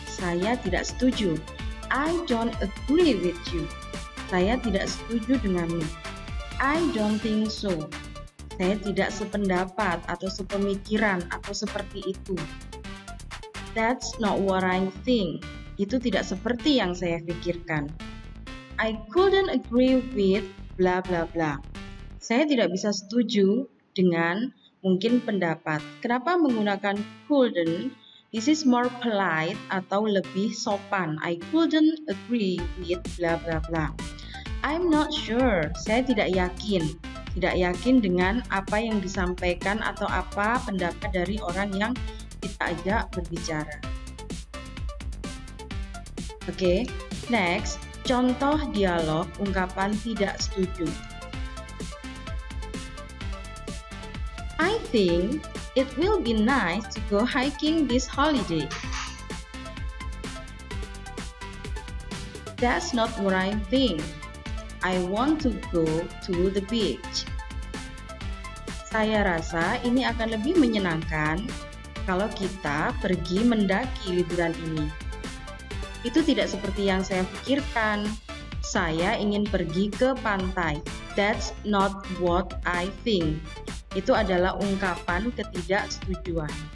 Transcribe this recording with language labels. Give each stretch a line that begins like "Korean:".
Indonesian: Saya tidak setuju.
English: I don't agree with you.
Indonesian: Saya tidak setuju denganmu.
English: I don't think so.
Indonesian: Saya tidak sependapat atau sepemikiran atau seperti itu.
English: That's not what I think.
Indonesian: Itu tidak seperti yang saya pikirkan.
English: I couldn't agree with blah blah blah.
Indonesian: Saya tidak bisa setuju dengan mungkin pendapat. Kenapa menggunakan couldn't?
English: This is more polite
Indonesian: atau lebih sopan.
English: I couldn't agree with blah blah blah. I'm not sure.
Indonesian: Saya tidak yakin. Tidak yakin dengan apa yang disampaikan atau apa pendapat dari orang yang kita ajak berbicara. Oke, next, contoh dialog ungkapan tidak setuju.
English: I think it will be nice to go hiking this holiday. That's not what I'm thinking. I want to go to the beach.
Indonesian: Saya rasa ini akan lebih menyenangkan kalau kita pergi mendaki liburan ini. Itu tidak seperti yang saya pikirkan. Saya ingin pergi ke pantai.
English: That's not what I think.
Indonesian: Itu adalah ungkapan ketidaksetujuan.